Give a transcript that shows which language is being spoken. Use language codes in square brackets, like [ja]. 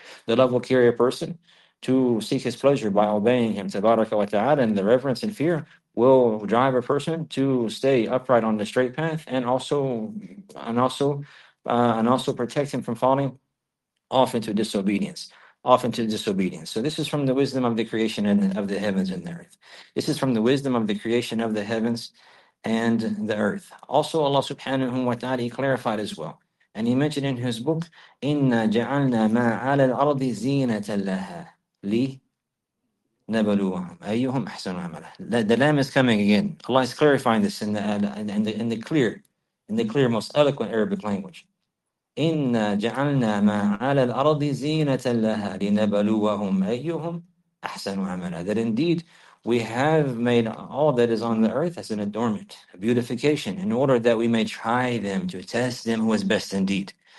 [en] The love will carry a person to seek His pleasure by obeying Him, tabaraka wa ta'ala, and the reverence and fear will drive a person to stay upright on the straight path and also protect him from falling off into disobedience. Often to disobedience. So this is from the wisdom of the creation and of the heavens and the earth. This is from the wisdom of the creation of the heavens and the earth. Also, Allah subhanahu wa ta'ala, He clarified as well. And He mentioned in His book, [ar] إِنَّا جَعَلْنَا مَا عَلَى الْأَرْضِ زِينَةً لَهَا لِنَبْلُوَهُمْ أَيُّهُمْ أَحْسَنُ عَمَلًا. [en] The lamb is coming again. Allah is clarifying this in the clear, most eloquent Arabic language. [ar] إِنَّا جَعَلْنَا مَا عَلَى الْأَرْضِ زِينَةً لَهَا لِنَبَلُوَهُمْ أَيُّهُمْ أَحْسَنُ عَمَلًا. [en] That indeed, we have made all that is on the earth as an adornment, a beautification, in order that we may try them, to test them who is best indeed.